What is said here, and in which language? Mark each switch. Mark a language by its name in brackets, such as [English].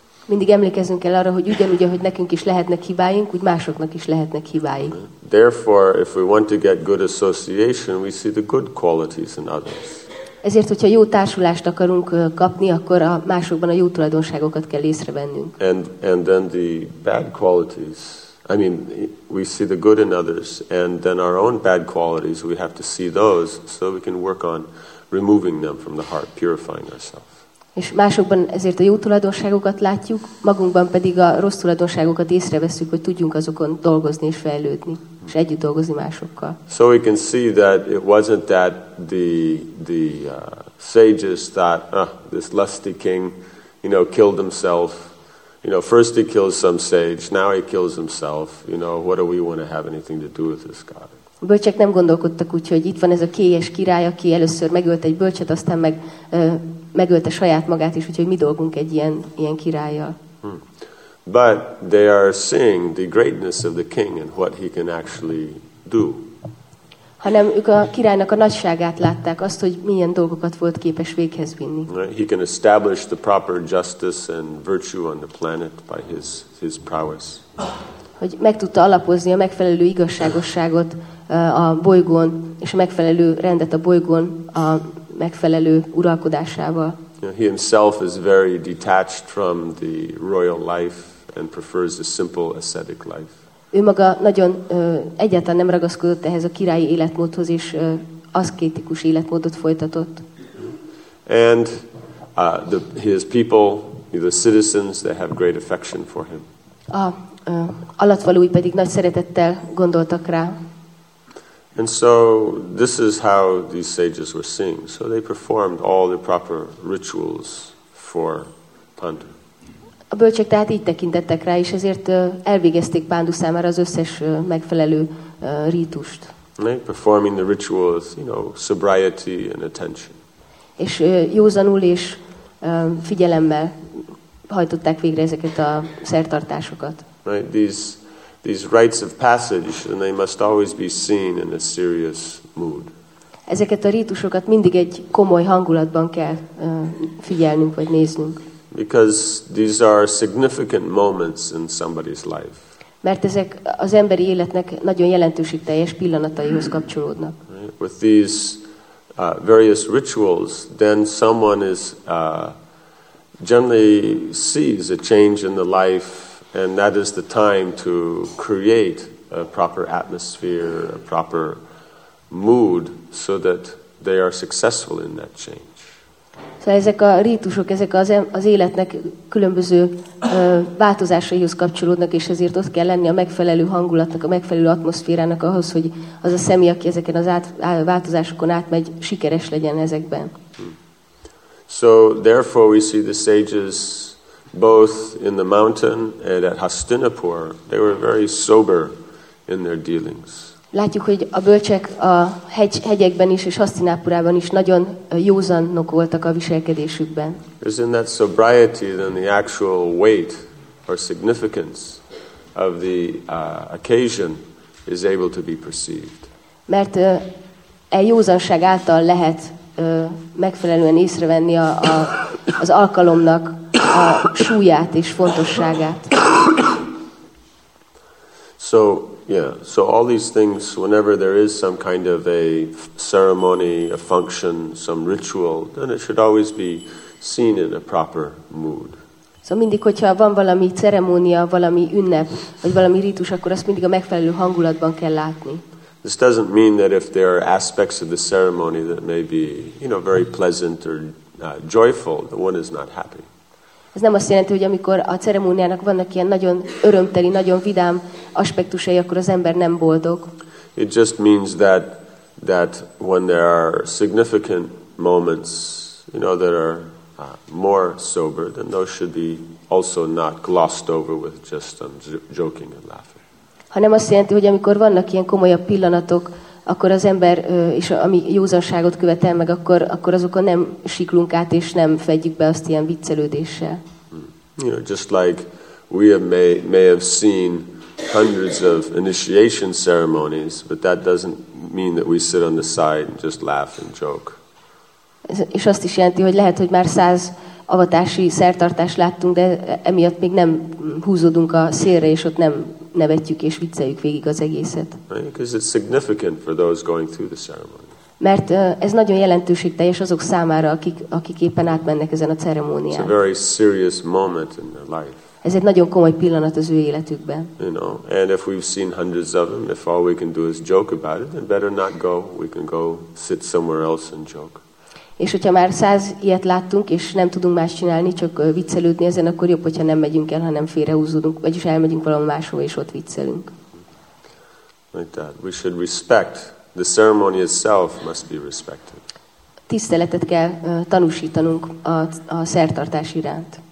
[Hungarian] Mindig emlékezünk el arra, hogy ugyanúgy, ahogy nekünk is lehetnek hibáink, úgy másoknak is lehetnek hibáik. [English] Therefore, if we want to get good association, we see the good qualities in others. [Hungarian] Ezért, hogyha jó társulást akarunk kapni, akkor a másokban a jó tulajdonságokat kell észrevennünk. [English] And then the bad qualities. I mean, we see the good in others, and then our own bad qualities, we have to see those, so we can work on removing them from the heart, purifying ourselves. [Hungarian] És másokban ezért a jó tulajdonságokat látjuk, magunkban pedig a rossz tulajdonságokat észreveszünk, hogy tudjunk azokon dolgozni és fejlődni, és együtt dolgozni másokkal. [English] So we can see that it wasn't that the sages thought, this lusty king, you know, killed himself. You know, first he kills some sage, now he kills himself. You know, what do we want to have anything to do with this guy? [Hungarian] A bölcsek nem gondolkodtak úgy, hogy itt van ez a kélyes király, aki először megölt egy bölcset, aztán meg megölte saját magát is, úgyhogy mi dolgunk egy ilyen királlyal. [English] But they are seeing the greatness of the king and what he can actually do. [Hungarian] Hanem ők a királynak a nagyságát látták, azt, hogy milyen dolgokat volt képes véghez vinni. [English] He can establish the proper justice and virtue on the planet by his prowess. [Hungarian] Hogy meg tudta alapozni a megfelelő igazságosságot a bolygón, és a megfelelő rendet a bolygón a megfelelő uralkodásával. [English] He himself is very detached from the royal life and prefers a simple ascetic life. [Hungarian] Ő maga nagyon egyáltalán nem ragaszkodott ehhez a királyi életmódhoz, és aszkétikus életmódot folytatott. [English] And his people, the citizens, they have great affection for him. [Hungarian] A alattvalói pedig nagy szeretettel gondoltak rá. [English] And so this is how these sages were seeing. So they performed all the proper rituals for Pandu. [Hungarian] A bölcsek tehát így tekintettek rá, és ezért elvégezték Pándu számára az összes megfelelő rítust. [English] Right, performing the rituals, you know, sobriety and attention. [Hungarian] És józanul és figyelemmel hajtották végre ezeket a szertartásokat. [English] Right, these rites of passage, and they must always be seen in a serious mood. [Hungarian] Ezeket a rítusokat mindig egy komoly hangulatban kell figyelnünk vagy néznünk. [English] Because these are significant moments in somebody's life. [Hungarian] Mert ezek az emberi életnek nagyon jelentőségteljes pillanataihoz kapcsolódnak. [English] Right. With these various rituals, then someone is generally sees a change in the life, and that is the time to create a proper atmosphere, a proper mood, so that they are successful in that change. [Hungarian] Szóval ezek a rítusok, ezek az életnek különböző változásaihoz kapcsolódnak, és ezért ott kell lenni a megfelelő hangulatnak, a megfelelő atmoszférának ahhoz, hogy az a személy, aki ezeken az változásokon átmegy, sikeres legyen ezekben. [English] So therefore we see the sages both in the mountain and at Hastinapur, they were very sober in their dealings. [Hungarian] Látjuk, hogy a bölcsek a hegyekben is, és Hasztinápurában is nagyon józanok voltak a viselkedésükben. [English] Isn't that sobriety then the actual weight or significance of the occasion is able to be perceived? [Hungarian] Mert e józanság által lehet megfelelően észrevenni az alkalomnak a súlyát és fontosságát. [English] So all these things, whenever there is some kind of a ceremony, a function, some ritual, then it should always be seen in a proper mood. [Hungarian] Szóval mindig, hogyha van valami ceremónia, valami ünnep, vagy valami rítus, akkor azt mindig a megfelelő hangulatban kell látni. [English] This doesn't mean that if there are aspects of the ceremony that may be, you know, very pleasant or joyful, that one is not happy. [Hungarian] Ez nem azt jelenti, hogy amikor a ceremóniának vannak ilyen nagyon örömteli, nagyon vidám aspektusai, akkor az ember nem boldog. [English] It just means that when there are significant moments, you know, that are more sober, then those should be also not glossed over with just joking and laughing. [Hungarian] Hanem azt jelenti, hogy amikor vannak ilyen komolyabb pillanatok, akkor az ember, és ami józanságot követel meg, akkor, azokon nem siklunk át, és nem fedjük be azt ilyen viccelődéssel. [English] You know, just like we have may have seen hundreds of initiation ceremonies, but that doesn't mean that we sit on the side and just laugh and joke. [Hungarian] És azt is jelenti, hogy lehet, hogy már 100 avatási szertartást láttunk, de emiatt még nem húzódunk a szélre, és ott nem nevetjük és vicceljük végig az egészet. [English] Because it's significant for those going through the ceremony. [Hungarian] Mert ez nagyon jelentőségteljes azok számára, akik éppen átmennek ezen a ceremónián. [English] It's a very serious moment in their life. [Hungarian] Ez egy nagyon komoly pillanat az ő életükben. [English] You know, and if we've seen hundreds of them, if all we can do is joke about it, then better not go. We can go sit somewhere else and joke. [Hungarian] És hogyha már 100 ilyet láttunk, és nem tudunk más csinálni, csak viccelődni ezen, akkor jobb, hogyha nem megyünk el, hanem félrehúzódunk, vagyis elmegyünk valahol máshova, és ott viccelünk. [English] Like that. We should respect. The ceremony itself must be respected. [Hungarian] Tiszteletet kell tanúsítanunk a szertartás iránt.